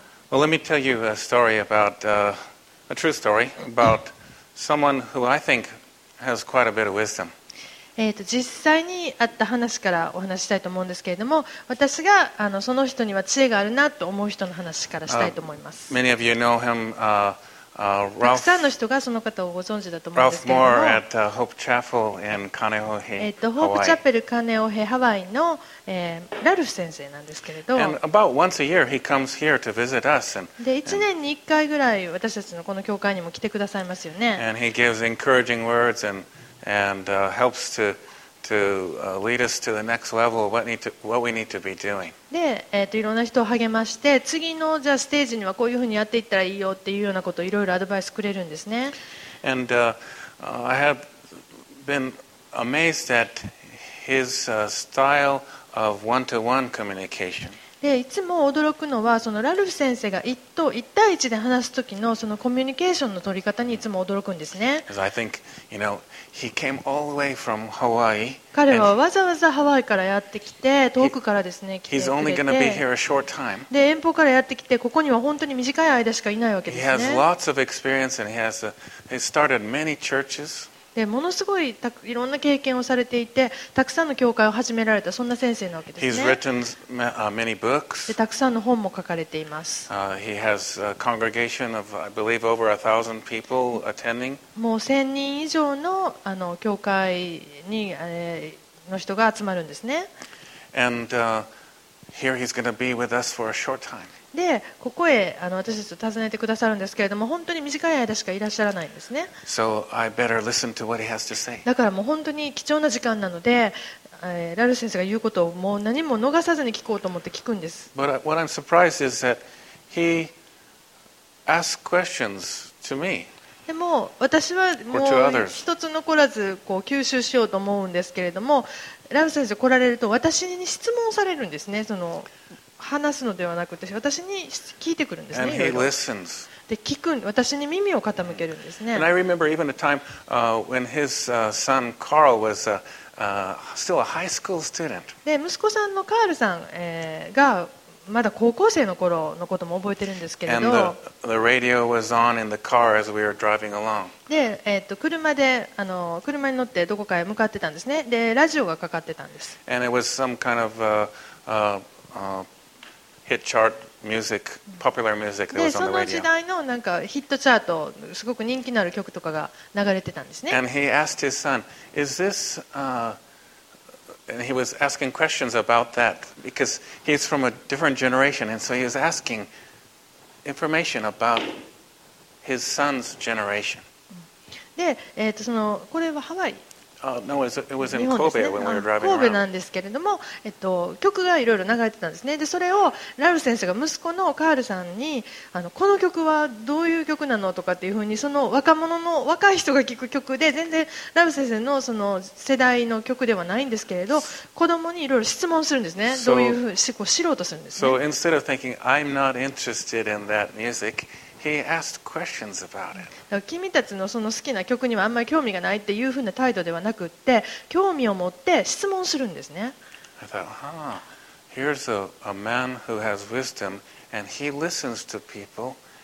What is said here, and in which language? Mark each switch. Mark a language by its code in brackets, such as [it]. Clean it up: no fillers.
[en] Well, let me tell you a story about a true story about someone who I think has quite a bit of wisdom. [ja] 実際にあった話からお話したいと思うんですけれども、私がその人には知恵があるなと思う人の話からしたいと思います。 [en] Many of you know him. [ja] たくさんの人がその方をご存知だと思うんですけども、ホープチャペルインカネオヘ、ホープチャペルカネオヘハワイの、ラルフ先生なんですけれど、 [en] and about once a year he comes here to visit us and, [ja] で1年に1回ぐらい私たちのこの教会にも来てくださいますよね。 [en] and he gives encouraging words and helps to lead us to the next level what we need to be doing. [ja] で、いろんな人を励まして、次のじゃあステージにはこういうふうにやっていったらいいよっていうようなことをいろいろアドバイスくれるんですね。 [en] And I have been amazed at his style of one-to-one communication. [ja] で、いつも驚くのはそのラルフ先生が一対一で話す時のそのコミュニケーションの取り方にいつも驚くんですね。 [en] Because I think, you know,He came all the way from Hawaii. [ja] 彼はわざわざハワイからやってきて、遠くからですね、 [en] He's only going to be here a short time. [ja] で、遠方からやってきて、ここには本当に短い間しかいないわけですね。 [en] He has lots of experience and he started many churches. [ja] で、ものすごいいろんな経験をされていて、たくさんの教会を始められたそんな先生なわけですね。 [en] He's written many books. [ja] で、たくさんの本も書かれています。 [en] He has a congregation of, I believe, over 1,000 people attending. [ja] もう1000人以上 の教会に、の人が集まるんですね。 [en] And, here he's gonna be with us for a short time. [ja] で、ここへ私たちを訪ねてくださるんですけれども、本当に短い間しかいらっしゃらないんですね。 [en] So、I better listen to what he has to say. [ja] だからもう本当に貴重な時間なので、ラル先生が言うことをもう何も逃さずに聞こうと思って聞くんです。 [en] But what I'm surprised is that he asks questions to me. [ja] でも私はもう一つ残らずこう吸収しようと思うんですけれども、ラル先生来られると私に質問されるんですね。その話すのではなくて私に聞いてくるんですね。いろいろで聞く、私に耳を傾けるんですね。 [en] And I remember even a time when his son Carl was still a high school student. [ja] で息子さんのカールさん、がまだ高校生の頃のことも覚えてるんですけれど、 [en] the radio was on in the car as we were driving along. [ja] で、車に乗ってどこかへ向かってたんですね。で、ラジオがかかってたんです。 [en] And it was some kind of hit chart music, popular music that was on the radio. [ja] で、その時代のなんかヒットチャート、すごく人気のある曲とかが流れてたんですね。 [en] And he asked his son, "Is this?" And he was asking questions about that because he's from a different generation, and so he was asking information about his son's generation. [ja] で、そのこれはハワイ。 [en] No, it was in Kobe when we were driving around. [ja] 神戸なんですけれども、曲がいろいろ流れてたんですね。で、それをラル先生が息子のカールさんに、この曲はどういう曲なのとかっていうふうに、その若者の若い人が聞く曲で、全然ラル先生のその世代の曲ではないんですけれど、子供にいろいろ質問するんですね。どういうふうに知ろうとするんですね。 [en] So instead of thinking I'm not interested in that music, He asked questions about it. [ja] だから君たちのその好きな曲にはあんまり興味がないっていうふうな態度ではなくって、興味を持って質問するんですね。 [en] I thought, huh, here's a man who has wisdom and he listens to people.